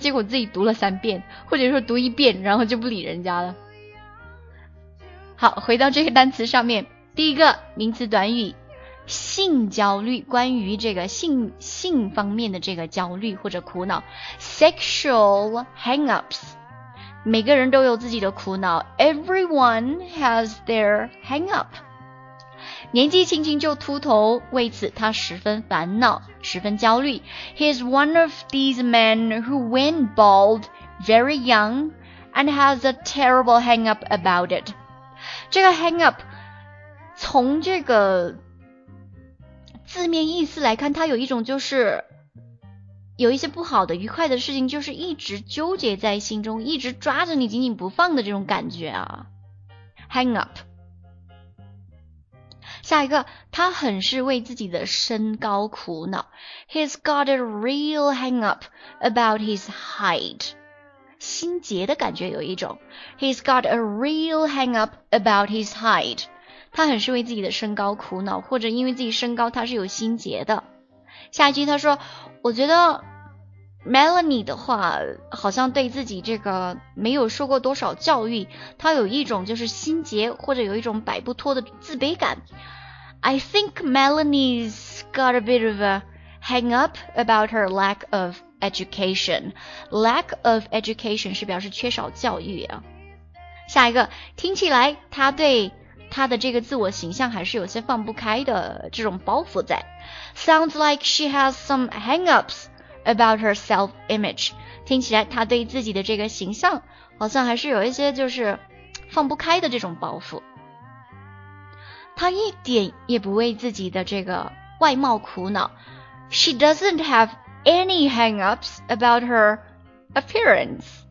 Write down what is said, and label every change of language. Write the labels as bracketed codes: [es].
[zh] 结果自己读了三遍，或者说读一遍，然后就不理人家了。好，回到这个单词上面，第一个名词短语，性焦虑，关于这个性方面的这个焦虑或者苦恼 ，sexual hang ups。每个人都有自己的苦恼 ， [en] everyone has their hang up。 [zh] 年纪轻轻就秃头，为此他十分烦恼，十分焦虑。 [en] He is one of these men who went bald very young and has a terrible hang up about it. [zh] 这个 hang up 从这个字面意思来看，它有一种就是有一些不好的愉快的事情，就是一直纠结在心中，一直抓着你紧紧不放的这种感觉啊。 [en] Hang up。 [zh] 下一个，他很是为自己的身高苦恼。 [en] He's got a real hang up about his height. [zh] 心结的感觉有一种。 [en] He's got a real hang up about his height. [zh] 他很是为自己的身高苦恼，或者因为自己身高他是有心结的。下一句他说，我觉得 Melanie 的话好像对自己这个没有受过多少教育，他有一种就是心结或者有一种摆不脱的自卑感。 [en] I think Melanie's got a bit of a hang up about her lack of education. [zh] Lack of education 是表示缺少教育啊。下一个，听起来他对他的这个自我形象还是有些放不开的这种包袱在。 [en] Sounds like she has some hang ups about her self image. [zh] 听起来他对自己的这个形象好像还是有一些就是放不开的这种包袱。他一点也不为自己的这个外貌苦恼。 [en] She doesn't have any hang-ups about her appearance.